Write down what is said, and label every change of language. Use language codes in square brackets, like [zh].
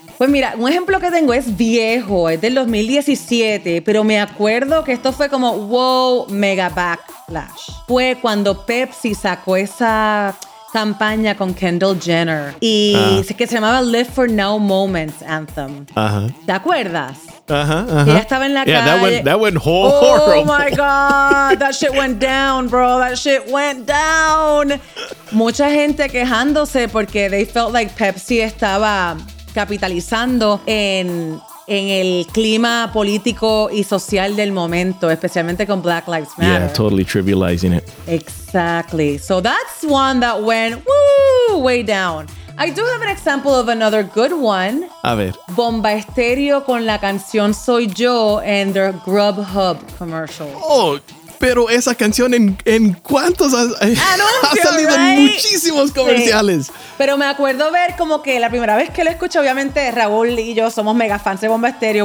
[es] Pues mira, un ejemplo que tengo es viejo, es del 2017, pero me acuerdo que esto fue como wow, mega backlash. Fue cuando Pepsi sacó esa campaña con Kendall Jenner y que se llamaba Live for Now Moments Anthem. Uh-huh. ¿Te acuerdas? Uh-huh. Ella estaba en la [en] yeah, [es] calle. [en] That went horrible. Oh my God, that shit went down, bro. That shit went down. [es] Mucha gente quejándose porque [en] they felt like [es] Pepsi estaba capitalizando en el clima político y social del momento, especialmente con Black Lives Matter. [en] Yeah, totally trivializing it. Exactly. So that's one that went woo way down. I do have an example of another good one. [es] A ver. Bomba Estéreo con la canción Soy Yo en [en] their Grubhub commercial. [es] Oh, pero esa canción en cuántos anuncio, ha salido, [en] right? [es] En muchísimos comerciales. Sí. Pero me acuerdo ver como que la primera vez que lo escuché, obviamente Raúl y yo somos mega fans de Bomba Estéreo.